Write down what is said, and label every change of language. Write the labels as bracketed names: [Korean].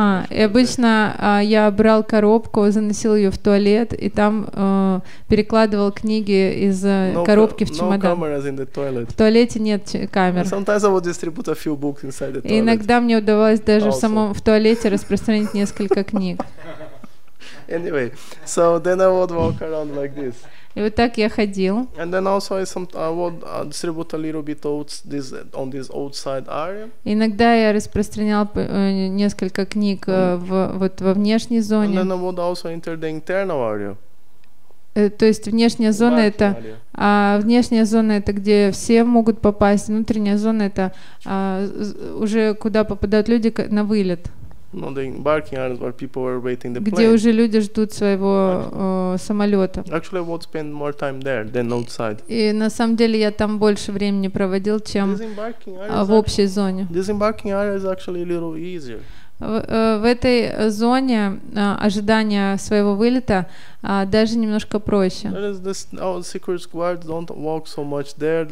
[Russian] И обычно я брал коробку, заносил ее в туалет, и там перекладывал книги из коробки в чемодан. В туалете нет камер. Иногда мне удавалось даже в туалете распространить несколько книг. [English] Anyway, so then I would walk around like this. [Russian] И вот так я ходил. [English] And then also I would distribute a little bit oats this on this outside area. [Russian] Иногда я распространял несколько книг во внешней зоне. [English] And then I would also enter the internal area. [Russian] То есть внешняя зона это, внешняя зона это где все могут попасть, внутренняя зона это уже куда попадают люди на вылет. [English] No, the embarking areas where people were waiting the [Russian] где [English] plane. [Russian] Где уже люди ждут своего самолета. [English] Actually, I would spend more time there than outside. [Russian] И на самом деле я там больше времени проводил, чем в общей зоне. [English] This embarking area is actually a little easier. [Russian] В этой зоне ожидания своего вылета даже немножко проще. [English] Our secret guards don't walk so much there.